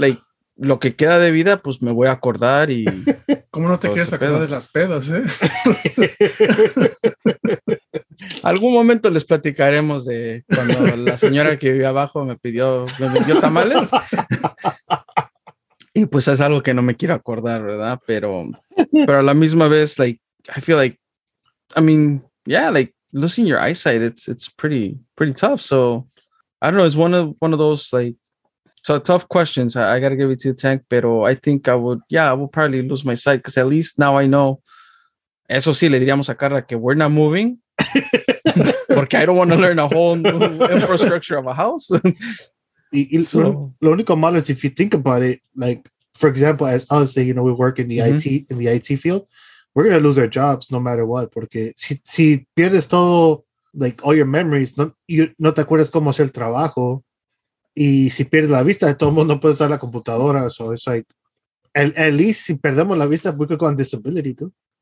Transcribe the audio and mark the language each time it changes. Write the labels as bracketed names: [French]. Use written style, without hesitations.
[Spanish] Like, lo que queda de vida, pues, me voy a acordar y... ¿Cómo no te quieres acordar de las pedas, eh? Algún momento les platicaremos de cuando la señora que vivía abajo me pidió tamales. Y pues es algo que no me quiero acordar, ¿verdad? [English] Pero a la misma vez, like, I feel like, I mean, yeah, like, losing your eyesight, it's pretty, pretty tough. So, I don't know, it's one of those, like, so tough questions. I gotta give it to the tank, pero I think I would, yeah, I would probably lose my sight, because at least now I know, eso sí, le diríamos a Carla que we're not moving. Porque I don't want to learn a whole new infrastructure of a house. So. Lo único malo is if you think about it, like, for example, as us, you know, we work in the IT, in the IT field, we're going to lose our jobs no matter what. [Spanish] Porque si pierdes todo, like, all your memories, no te acuerdas cómo hacer el trabajo. Y si pierdes la vista, de todo mundo puede usar la computadora. [English] So it's like, at least si perdemos la vista, we could go on disability, too.